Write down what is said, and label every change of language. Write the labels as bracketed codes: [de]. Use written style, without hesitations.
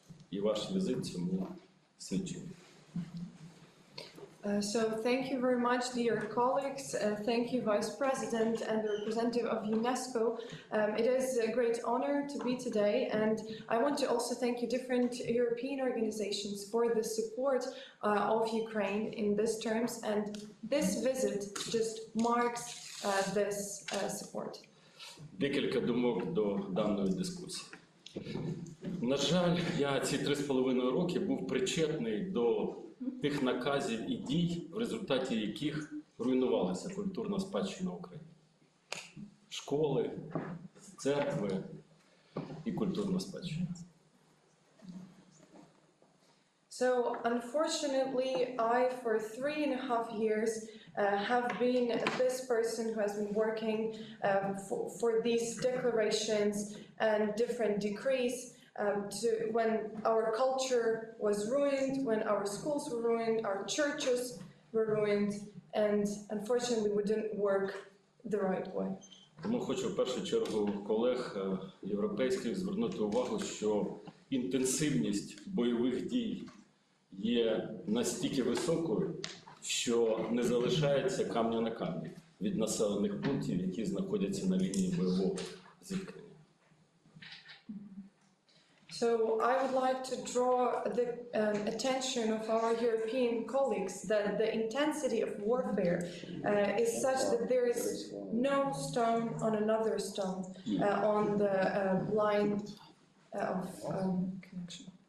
[uk] І ваш візит цьому свідчить. [en] So thank you very much, dear colleagues. Thank you, Vice President and the representative of UNESCO. It is a great honor to be today, and I want to also thank you, different European organizations, for the support of Ukraine in these terms. And this visit just marks this support. [uk] Декілька думок до даної дискусії. На жаль, я ці 3,5 роки був причетний до тих наказів і дій, в результаті яких руйнувалася культурна спадщина України. Школи, церкви і культурна спадщина. [en] So, unfortunately, I for 3.5 years have been this person who has been working for these declarations and different decrees. To when our culture was ruined, when our schools were ruined, our churches were ruined, and unfortunately we didn't work the right way. [uk] Тому хочу в першу чергу колег європейських звернути увагу, що інтенсивність бойових дій є настільки високою, що не залишається камня на камні від населених пунктів, які знаходяться на лінії бойового зіткнення. [en] So I would like to draw the attention of our European colleagues that the intensity of warfare is such that there is no stone on another stone on the line of connection.